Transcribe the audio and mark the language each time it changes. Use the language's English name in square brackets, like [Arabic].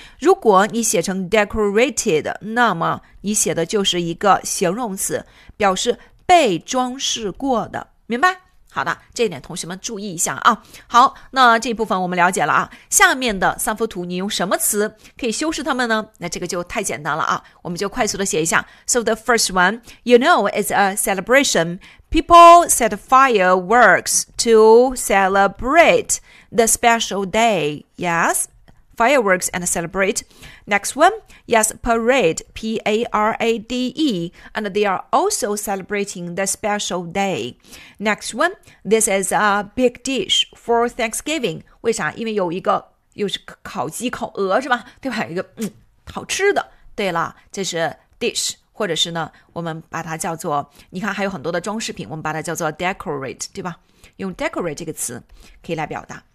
[Chinese] 如果你写成 decorated， 那么你写的就是一个形容词，表示被装饰过的，明白？好的，这一点同学们注意一下啊。好，那这一部分我们了解了啊。下面的三幅图，你用什么词可以修饰它们呢？那这个就太简单了啊，我们就快速的写一下。 [English] So the first one, you know, it's a celebration. People set fireworks to celebrate the special day. Yes, fireworks and celebrate. Next one. Yes, parade, P-A-R-A-D-E. And they are also celebrating the special day. Next one. This is a big dish for Thanksgiving. [Chinese] 为啥？因为有一个又是烤鸡烤鹅是吧？对吧？一个好吃的。对了，这是 dish. 或者是呢我们把它叫做你看还有很多的装饰品我们把它叫做 decorate, 对吧用 decorate 这个词可以来表达。